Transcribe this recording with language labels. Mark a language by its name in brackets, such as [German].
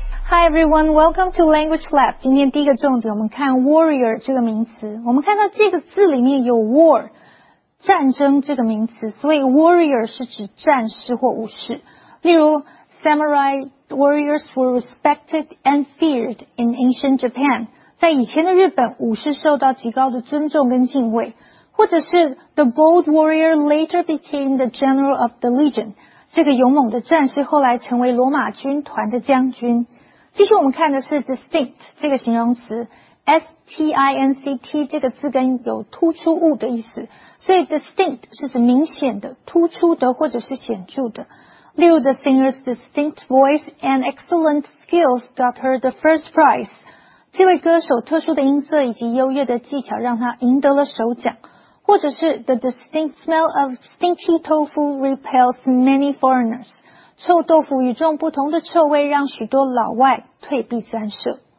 [English] Hi everyone, welcome to Language Lab. [Chinese] 今天第一个重点，我们看 warrior 这个名词。我们看到这个字里面有 war， 战争这个名词，所以 warrior 是指战士或武士。 [English] 例如 ，samurai warriors were respected and feared in ancient Japan。 [Chinese] 在以前的日本，武士受到极高的尊重跟敬畏。或者是 [English] the bold warrior later became the general of the legion。 [Chinese] 这个勇猛的战士后来成为罗马军团的将军。继续我们看的是 distinct 这个形容词 ,S-T-I-N-C-T 这个字根有突出物的意思。所以 distinct 是指明显的、突出的或者是显著的。 [English] 例如 the singer's distinct voice and excellent skills got her the first prize. [Chinese] 这位歌手特殊的音色以及优越的技巧让他赢得了首奖。或者是 [English] the distinct smell of stinky tofu repels many foreigners. [Chinese] 臭豆腐与众不同的臭味让许多老外退避三舍。